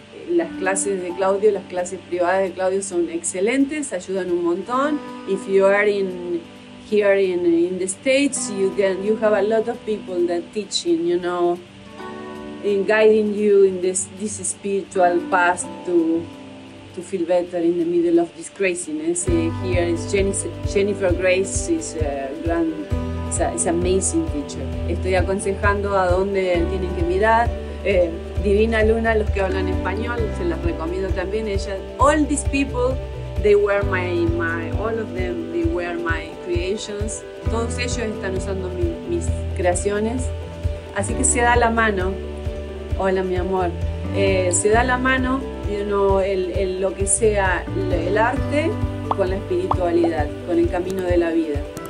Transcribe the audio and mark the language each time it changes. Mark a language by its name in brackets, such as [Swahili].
[Spanish] Las clases de Claudio, las clases privadas de Claudio son excelentes, ayudan un montón. [English] If you are here in the States, you have a lot of people that teaching, you know, in guiding you in this spiritual path to feel better in the middle of this craziness. Here is Jennifer Grace, is a grand, it's an amazing teacher. [Spanish] Estoy aconsejando a dónde tienen que mirar. Divina Luna, los que hablan español, se las recomiendo también. [English] Ella, all these people, they were all of them, they were my creations. [Spanish] Todos ellos están usando mis creaciones. Así que se da la mano. Hola, mi amor. Se da la mano. You know, lo que sea el arte con la espiritualidad, con el camino de la vida.